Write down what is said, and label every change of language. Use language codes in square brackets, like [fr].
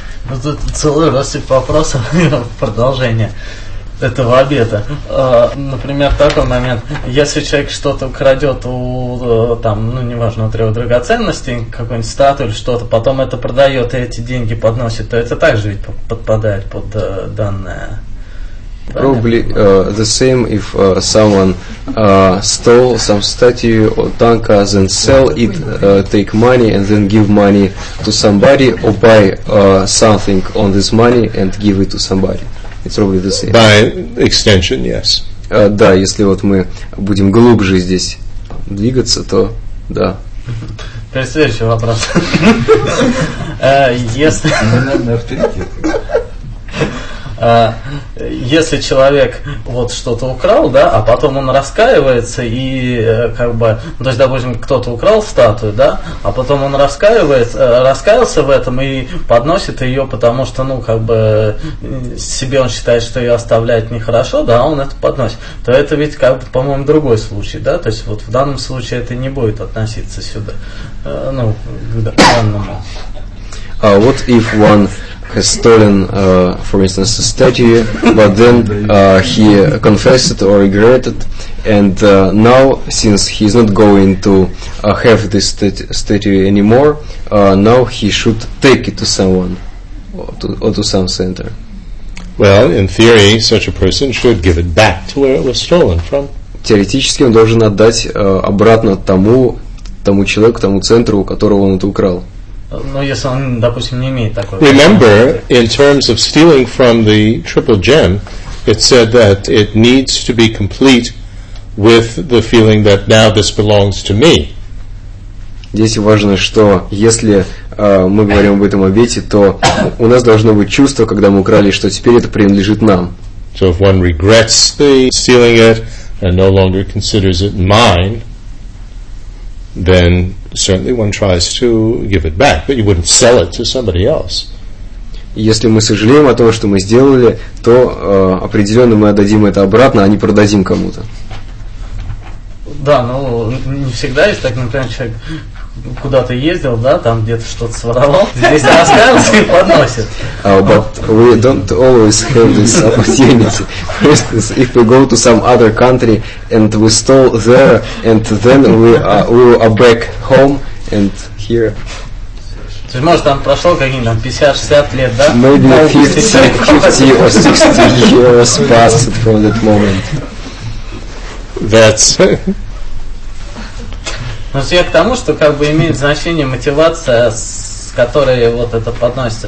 [ru] Ну тут целый россыпь вопросов продолжение этого обета. Например, такой момент. Если человек что-то крадет у там, ну, неважно, у трех драгоценностей, какую-нибудь статую или что-то, потом это продает и эти деньги подносит, то это также ведь подпадает под данное. [en] Probably the same if someone stole some statue or tanka, then sell it, take money and then give money to somebody or buy something on this money and give it to somebody. It's probably the same. By extension, yes. [ru] Да, если вот мы будем глубже здесь двигаться, то да. Теперь следующий вопрос. Если если человек вот что-то украл, да, а потом он раскаивается и как бы, то есть, допустим, кто-то украл статую, да, а потом он раскаялся в этом и подносит ее, потому что, ну, как бы себе он считает, что ее оставлять нехорошо, да, он это подносит, то это ведь, как бы, по-моему, другой случай, да, то есть вот в данном случае это не будет относиться сюда, ну, к данному. [en] What if one has stolen, for instance, a statue, but then he confessed or regretted, and now, since he's not going to have this statue anymore, now he should take it to someone or to some center? Well, in theory, such a person should give it back to where it was stolen from. [ru] Теоретически он должен отдать обратно тому человеку, тому центру, у которого он это украл. Но если он, допустим, не имеет такой. [en] Remember, in terms of stealing from the triple gem, it said that it needs to be complete with the feeling that now this belongs to me. [ru] Здесь важно, что если мы говорим об этом обете, то у нас должно быть чувство, когда мы украли, что теперь это принадлежит нам. [en] So if one regrets the stealing it and no longer considers it mine, then certainly one tries to give it back, but you wouldn't sell it to somebody else. [ru] Если мы сожалеем о том, что мы сделали, то определенно мы отдадим это обратно, а не продадим кому-то. Да, ну не всегда есть так, например, человек куда-то ездил, да, там где-то что-то своровал, здесь расставился и подносит. [en] But we don't always have this opportunity. For instance, if we go to some other country and we stole there, and then we are back home and here. [ru] То есть, может, там прошло какие-нибудь 50-60 лет, да? [en] Maybe 50 or 60 years passed from that moment. That's... [ru] Ну, я к тому, что как бы имеет значение мотивация, с которой вот это подносится.